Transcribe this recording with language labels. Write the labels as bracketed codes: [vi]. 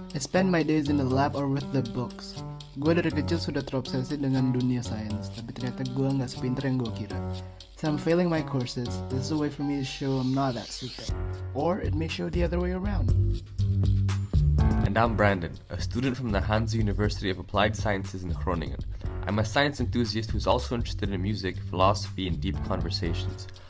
[en] I spend my days in the lab or with the books. [id] Gue dari kecil sudah terobsesi dengan dunia sains, tapi ternyata gue nggak sepinter yang gue kira. [en] So I'm failing my courses. This is a way for me to show I'm not that stupid. Or it may show the other way around. And I'm Brandon, a student from the Hanse University of Applied Sciences in Groningen. I'm a science enthusiast who's also interested in music, philosophy, and deep conversations.